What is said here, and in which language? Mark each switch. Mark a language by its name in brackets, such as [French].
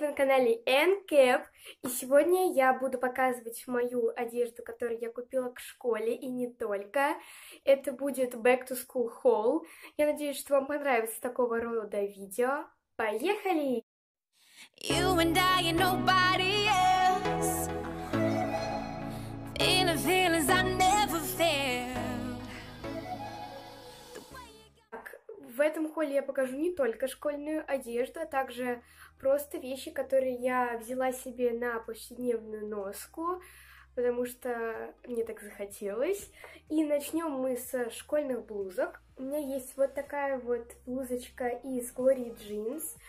[Russian] Вы на канале NCAP. И сегодня я буду показывать мою одежду, которую я купила к школе, и не только. Это будет Back to School Haul. Я надеюсь, что вам понравится такого рода видео. Поехали! [English] You and I and nobody else. In the feelings I never felt. [Russian] Так, в этом холле я покажу не только школьную одежду, а также просто вещи, которые я взяла себе на повседневную носку, потому что мне так захотелось. И начнем мы с школьных блузок. У меня есть вот такая вот блузочка из Glory Jeans.